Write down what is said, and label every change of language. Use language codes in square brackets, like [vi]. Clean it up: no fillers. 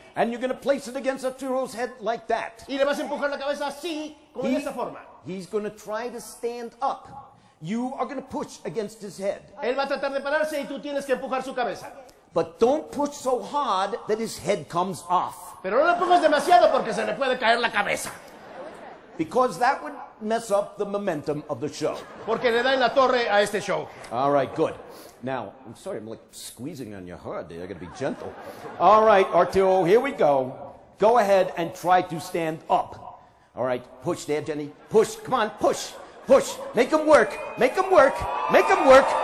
[en] And you're going to place it against Arturo's head like that. [es] Y le vas a empujar la cabeza así, como de esa forma. [en] He's going to try to stand up. You are going to push against his head. [es] Él va a tratar de pararse y tú tienes que empujar su cabeza. [en] But don't push so hard that his head comes off. [es] Pero no lo empujes demasiado porque se le puede caer la cabeza. [en] Because that would mess up the momentum of the show. [es] Porque le da en la torre a este show. [en] All right, good. Now, I'm sorry, I'm like squeezing on your heart there. I gotta be gentle. All right, Arturo, here we go. Go ahead and try to stand up. All right, push there, Jenny. Push, come on, push. Push, make him work, make him work, make him work.